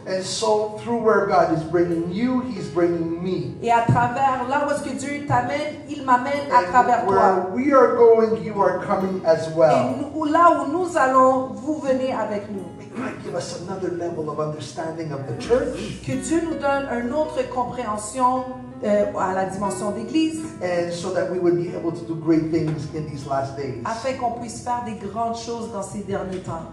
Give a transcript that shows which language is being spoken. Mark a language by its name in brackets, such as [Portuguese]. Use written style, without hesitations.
[English] And so through where God is bringing you, He's bringing me. [French] Et à travers là où est-ce que Dieu t'amène, il m'amène [English] and [French] à travers toi. [English] Where we are going, you are coming as well. [French] Et nous, là où nous allons, vous venez avec nous. [English] God give us another level of understanding of the church. [French] Que Dieu nous donne une autre compréhension à la dimension d'église. [English] And so that we would be able to do great things in these last days. [French] Afin qu'on puisse faire des grandes choses dans ces derniers temps.